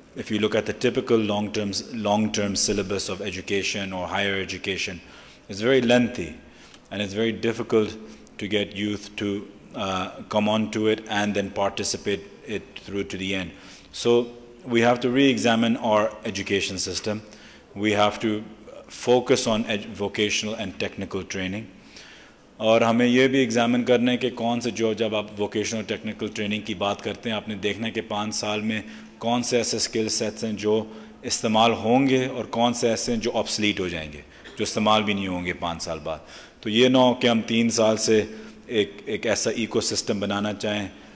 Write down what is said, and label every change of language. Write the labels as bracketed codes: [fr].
[en] You look at the typical long term syllabus of education اور higher education it's very lengthy and it's very difficult to get youth to come on to it and then participate it through to the end. So we have to re-examine our education system. We have to focus on vocational and technical training. [ur] اور ہمیں یہ بھی examine کرنا ہے کہ کون سے جو جب آپ ووکیشنل اور ٹیکنیکل ٹریننگ کی بات کرتے ہیں آپ نے دیکھنا ہے کہ پانچ سال میں کون سے ایسے اسکل سیٹس ہیں جو استعمال ہوں گے اور کون سے ایسے ہیں جو آبسلیٹ ہو جائیں گے جو استعمال بھی نہیں ہوں گے پانچ سال بعد تو یہ نہ ہو کہ ہم تین سال سے ایک ایسا ایکو سسٹم بنانا چاہیں